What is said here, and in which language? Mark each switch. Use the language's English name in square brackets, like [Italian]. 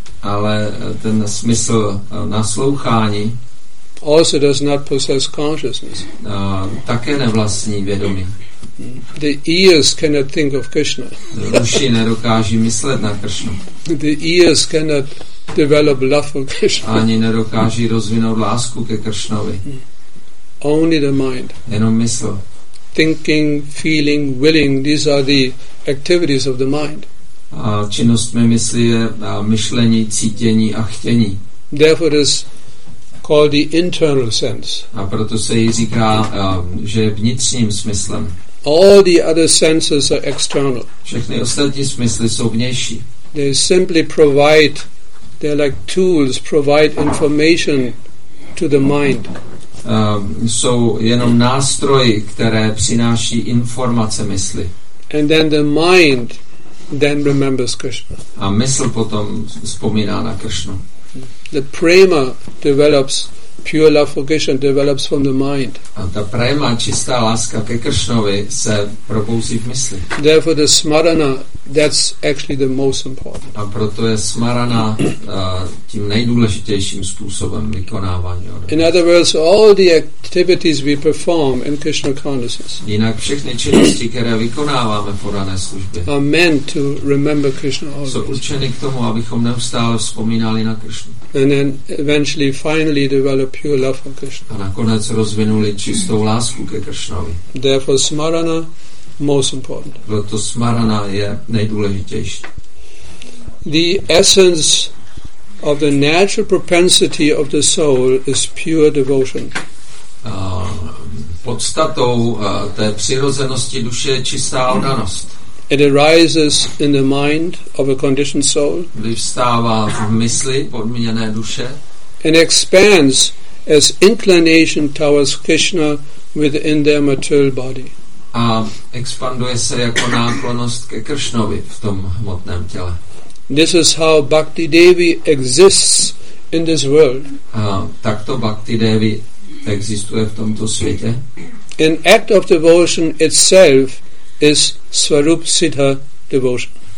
[Czech] ale ten smysl naslouchání, [English] also does not possess consciousness, [Czech] také nevlastní vědomí. [English] The ears cannot think of Krishna. [Czech] Uši nedokáží myslet na Krishnu. [English] The ears cannot develop love for Krishna. [Czech] Ani nedokáží rozvinout lásku ke Krishnovi. [English] Only the mind. [Czech] Jenom mysl. [English] Thinking, feeling, willing, these are the activities of the mind. [Czech] A činnost mé mysli je myšlení, cítění a chtění. [English] Therefore, this called the internal sense. [Czech] A proto se jí říká, že je vnitřním smyslem. [English] All the other senses are external. [Czech] Všechny ostatní smysly jsou vnější. [English] They simply provide, they're like tools, provide information to the mind. [Czech] Jsou jenom nástroji, které přináší informace mysli. [English] And then the mind then remembers Krishna. [Czech] A mysl potom vzpomíná na Krishnu. [English] The prema develops, pure love for Krishna develops from the mind. [Czech] A ta prema, čistá láska ke Krishnovi, se probouzí v mysli. [English] Therefore the smarana, that's actually the most important. [Czech] A proto je smarana tím nejdůležitějším způsobem vykonávání. [English] In other words, all the activities we perform in Krishna consciousness. [Czech] Jinak všechny činnosti, které vykonáváme v podané službě, [English] are meant to remember Krishna always. [Czech] Jsou určeny k tomu, abychom neustále vzpomínali na Krishnu. [English] And then eventually, finally, develop pure love for Krishna. [Czech] A nakonec rozvinuli čistou lásku ke Krishnovi. [English] Therefore, smarana most important. [Czech] Proto smarana je nejdůležitější. [English] The essence of the natural propensity of the soul is pure devotion. [Czech] Podstatou té přirozenosti duše je čistá oddanost. [English] It arises in the mind of a conditioned soul. [Czech] Vyvstává v mysli podmíněné duše. [English] And expands as inclination towards Krishna within their material body. [Czech] A expanduje se jako náklonost ke Kršnovi v tom hmotném těle. [English] This is how Bhakti Devi exists in this world. [Czech] A takto Bhakti Devi existuje v tomto světě. [English] An act of devotion itself is Svarup Siddha devotion.